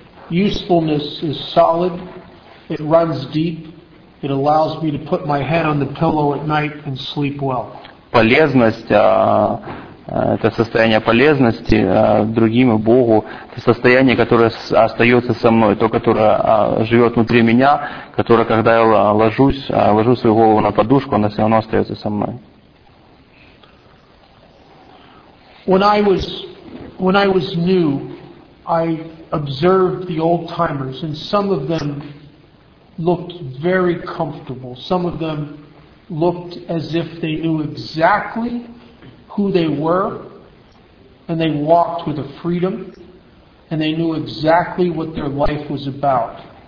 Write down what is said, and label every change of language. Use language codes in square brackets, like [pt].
[en] Usefulness is solid, it runs deep, it allows me to put my head on the pillow at night and sleep well. [ru] Полезность, это состояние полезности другим и Богу, это состояние, которое остается со мной, то, которое живет внутри меня, которое, когда я ложу свою голову на подушку, оно все равно остается со мной. [en] When I was new, I observed the old timers, and some of them looked very comfortable. Some of them looked as if they knew exactly who they were, and they walked with a freedom, and they knew exactly what their life was about.